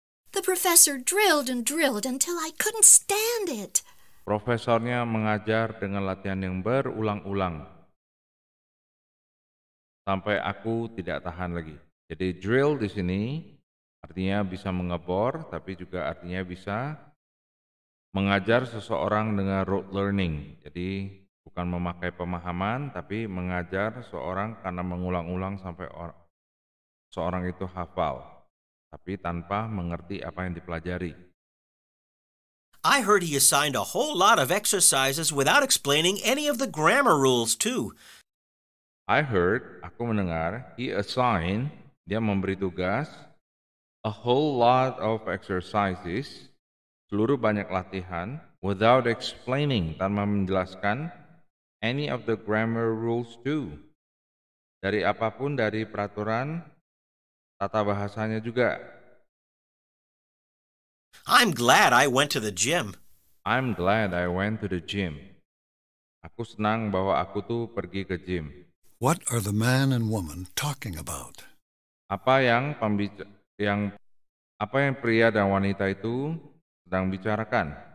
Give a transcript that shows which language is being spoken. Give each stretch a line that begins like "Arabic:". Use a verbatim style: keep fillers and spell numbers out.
English: The professor drilled and drilled until I couldn't stand it.
Indonesian: Profesornya mengajar dengan latihan yang berulang-ulang sampai aku tidak tahan lagi. Jadi drill di sini artinya bisa mengebor, tapi juga artinya bisa mengajar seseorang dengan rote learning. Jadi bukan memakai pemahaman, tapi mengajar seseorang karena mengulang-ulang sampai or- seorang itu hafal, tapi tanpa mengerti apa yang dipelajari.
English: I heard he assigned a whole lot of exercises without explaining any of the grammar rules, too. I heard,
Indonesian: aku mendengar,
English: he assigned,
Indonesian: dia memberi tugas,
English: a whole lot of exercises,
Indonesian: seluruh banyak latihan,
English: without explaining,
Indonesian: tanpa menjelaskan,
English: any of the grammar rules too.
Indonesian: Dari apapun, dari peraturan, tata bahasanya juga.
English: I'm glad I went to the gym. I'm glad I went to the gym.
Indonesian: Aku senang bahwa aku tuh pergi ke gym.
English: What are the man and woman talking about?
Indonesian: Apa yang pembica- yang apa yang pria dan wanita itu sedang bicarakan?